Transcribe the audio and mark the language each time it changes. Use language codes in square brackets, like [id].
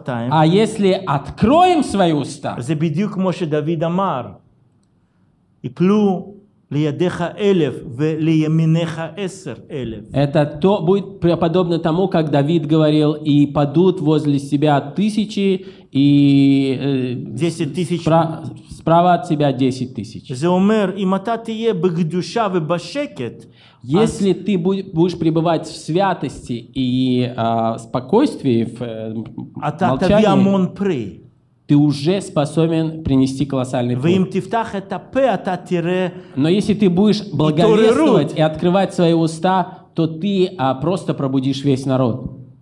[ru] А если откроем свои уста, [he] זה בדיוק כמו שדוד אמר, יפלו לידיך אלף ולימיניך עשר אלף. [ru] Это то будет подобно тому, как Давид говорил, и падут возле себя тысячи и десять тысяч справа от себя десять тысяч. [he] זה אומר, אם אתה תהיה בקדושה ובשקט. [ru] Если ты будешь пребывать в святости и спокойствии, в молчании, ты уже способен принести колоссальный плод. Но если ты будешь благовествовать и открывать свои уста, то ты просто пробудишь весь народ.